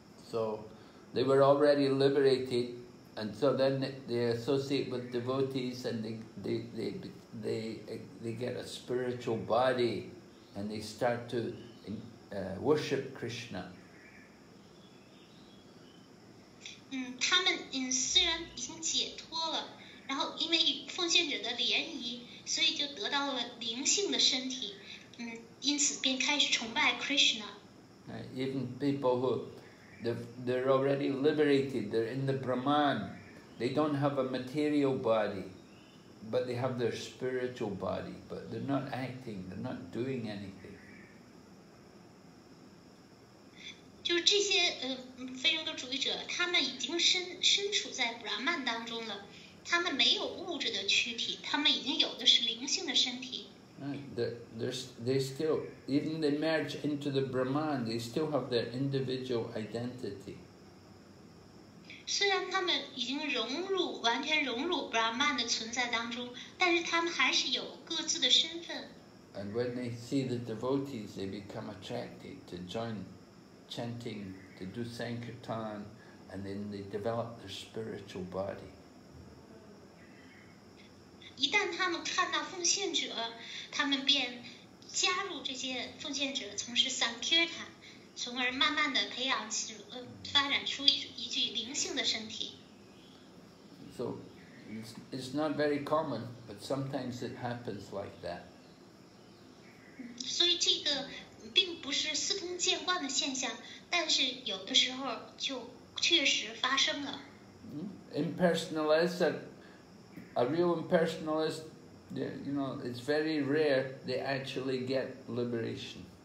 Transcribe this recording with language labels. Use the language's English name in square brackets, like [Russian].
[English] So they were already liberated, and so then they associate with devotees, and they get a spiritual body, and they start to worship Krishna. [Chinese] 他们虽然已经解脱了，然后因为与奉献者的联谊，所以就得到了灵性的身体，因此便开始崇拜 Krishna. [English] Even people who they're already liberated, they're in the Brahman, they don't have a material body, but they have their spiritual body, but they're not acting, they're not doing anything. [Chinese] 就是这些非人格主义者，他们已经身处在 Brahman 当中了，他们没有物质的躯体，他们已经有的是灵性的身体。 [English] They still, even they merge into the Brahman, they still have their individual identity. [Chinese] 虽然他们已经完全融入 Brahman 的存在当中，但是他们还是有各自的身份。 [English] And when they see the devotees, they become attracted to join chanting. To do Sankirtan, and then they develop their spiritual body. [Chinese] 一旦他们看到奉献者，他们便加入这些奉献者从事 Sankirtan, 从而慢慢的培养起发展出一具灵性的身体。 [English] So it's not very common, but sometimes it happens like that. [Chinese] 所以这个并不是司空见惯的现象，但是有的时候就确实发生了。 [English] Impersonalists are a real impersonalist. You know, it's very rare they actually get liberation.